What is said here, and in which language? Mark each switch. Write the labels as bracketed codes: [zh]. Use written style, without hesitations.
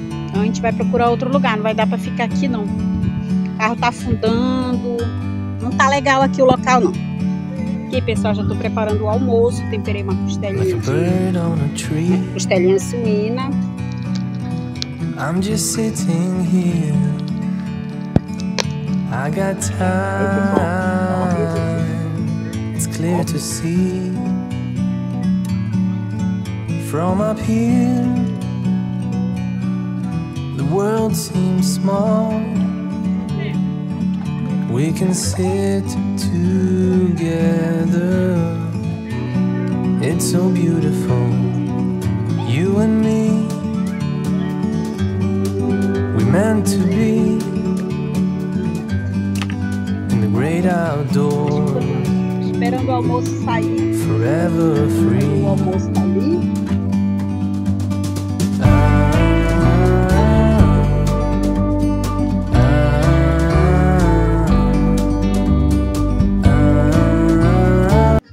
[pt] Então a gente vai procurar outro lugar, não vai dar pra ficar aqui não. O carro tá afundando, não tá legal aqui o local não. Aqui, pessoal, já tô preparando o almoço, temperei uma costelinha aqui, uma costelinha suína. [en] I'm just sitting here, I got time, it's clear to see, from up here, the world seems small, we can sit together, it's so beautiful, you and me, we're meant to be. Great outdoor. [pt] Esperando o almoço sair. [en] Forever free. [pt] O almoço tá ali.